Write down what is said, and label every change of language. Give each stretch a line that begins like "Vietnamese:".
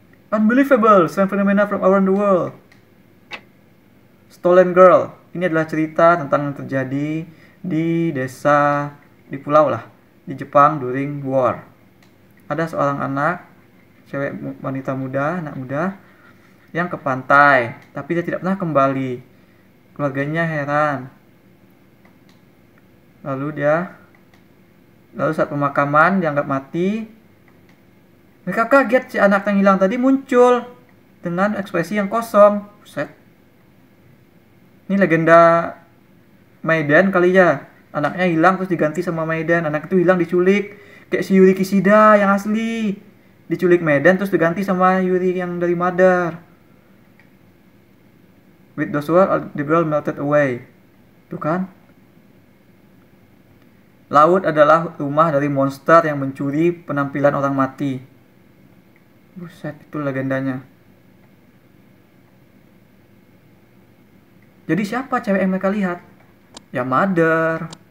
English: Unbelievable, strange phenomena from around the world. Stolen Girl.
Indonesian: Ini adalah cerita tentang yang terjadi di desa, di pulau lah, di Jepang
English: during war.
Indonesian: Ada seorang anak, cewek wanita muda, anak muda, yang ke pantai. Tapi dia tidak pernah kembali. Keluarganya heran. Lalu dia, lalu saat pemakaman dianggap mati, mereka kaget si anak yang hilang tadi muncul dengan ekspresi yang kosong. Buset. Ini legenda Maiden kali ya. Anaknya hilang terus diganti sama Maiden. Anak itu hilang diculik. Kayak si Yuri Kishida yang asli. Diculik Maiden terus diganti sama Yuri yang dari Mother.
English: With those words, the girl melted away.
Indonesian: Tuh kan? Laut adalah rumah dari monster yang mencuri penampilan orang mati. Buset, itu legendanya. Jadi siapa cewek yang mereka lihat? Ya Mother.